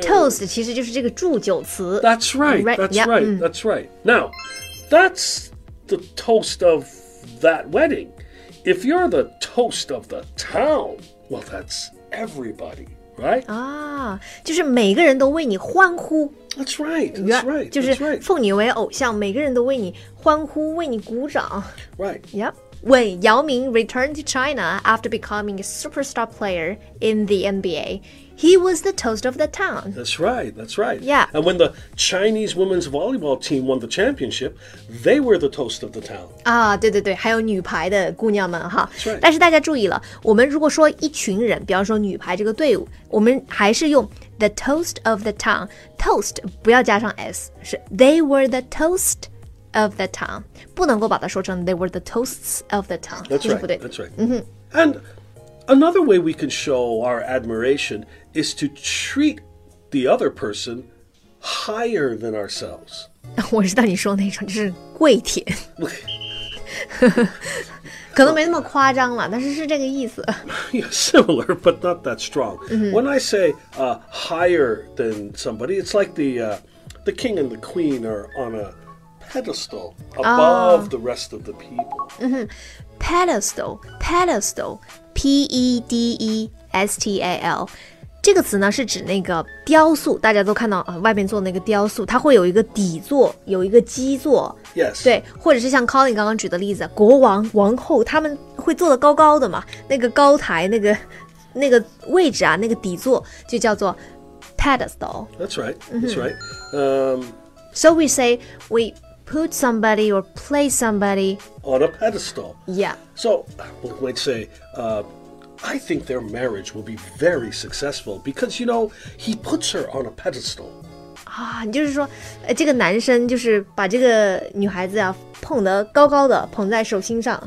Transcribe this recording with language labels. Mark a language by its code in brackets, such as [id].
[zh] Toast 其实就是这个祝酒词。 [en] That's right, that's right. Now, that's the toast of that wedding. If you're the toast of the town, well, that's everybody. Right? [zh] 啊，就是每个人都为你欢呼。 [en] That's right. That's right. [zh] 就是奉你为偶像，每个人都为你欢呼，为你鼓掌。 [en] Right. Yep. When Yao Ming returned to China after becoming a superstar player in the NBA, he was the toast of the town. That's right. That's right. Yeah. And when the Chinese women's volleyball team won the championship, they were the toast of the town. [zh] 啊，对对对，还有女排的姑娘们哈。 [en] That's right. [zh] 但是大家注意了，我们如果说一群人，比方说女排这个队伍，我们还是用 [en] the toast of the town. [zh] Toast 不要加上 s， 是 [en] they were the toast. Of the town. [zh] 不能够把它说成 [en] they were the toasts of the town. That's right. That's right.、 Mm-hmm. And another way we can show our admiration is to treat the other person higher than ourselves. [zh] 我知道你说那种就是跪舔。可能没那么夸张了，但是是这个意思。 [en] Yeah, similar, but not that strong.、 Mm-hmm. When I say、higher than somebody, it's like the king and the queen are on a... pedestal above、the rest of the people.、 Mm-hmm. Pedestal, pedestal, P-E-D-E-S-T-A-L. [zh] 这个词呢是指那个雕塑，大家都看到、外面做那个雕塑，它会有一个底座，有一个基座。 [en] Yes. [zh] 对，或者是像 Colin 刚刚举的例子，国王、王后他们会坐得高高的嘛，那个高台、那个位置啊，那个底座就叫做 pedestal. [en] That's right. That's、 mm-hmm. right. So we put somebody or place somebody on a pedestal. Yeah. So, we might say, I think their marriage will be very successful because, you know, he puts her on a pedestal. [zh] 啊，就是说，这个男生就是把这个女孩子啊捧得高高的，捧在手心上。